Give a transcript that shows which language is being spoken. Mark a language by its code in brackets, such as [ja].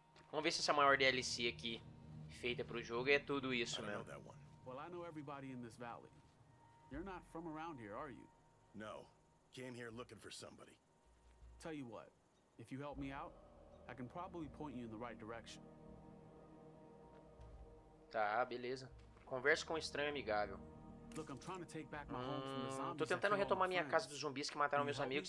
[pt] Vamos ver se essa maior DLC aqui feita pro jogo é tudo isso mesmo. [en] Well, I know everybody in this valley. You're not from around here, are you? No. Came here looking for somebody. Tell you what, if you help me out, I can probably point you in the right direction. [pt] Tá, beleza. Converse com um estranho amigável. [en] Look, I'm trying to take back my home from the zombies. [pt] Tô tentando retomar minha casa dos zumbis que mataram meus amigos.